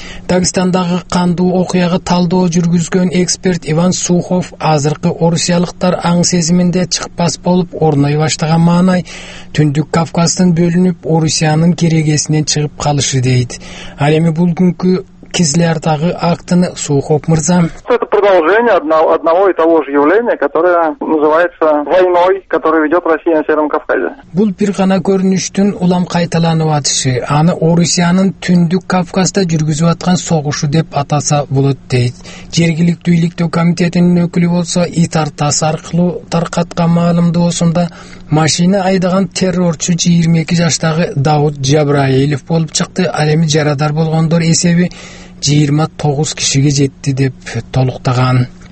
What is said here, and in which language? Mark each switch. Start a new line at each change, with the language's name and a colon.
Kyrgyz: Дагестандагы кандуу окуяга талдоо жүргүзгөн эксперт Иван Сухов азыркы орусиялыктар аң сезиминде чыкпас болуп орной баштаган маанай Түндүк Кавказдын бөлүнүп Орусиянын керегесинен чыгып калышы дейт. Ал эми бүгүнкү Кизлярдагы актыны Сухов мырза.
Russian: Продолжение одного и того же явления, которое называется войной, которую ведет Россия на Северном Кавказе.
Kyrgyz: Бул бир гана көрүнүштүн улам кайталанып атышы, аны Орусиянын Түндүк Кавказда жүргүзүп аткан согушу деп атаса болот дейт. Жергиликтүү иликтөө комитетинин өкүлү болсо, ИТАРТАС аркылуу таркаткан маалымдоосунда машина айдаган террорчу 22 жаштагы Дауд Жабраилов болуп чыкты, ал эми жарадар болгондор эсеби 29 кишиге жетти деп толуктаган.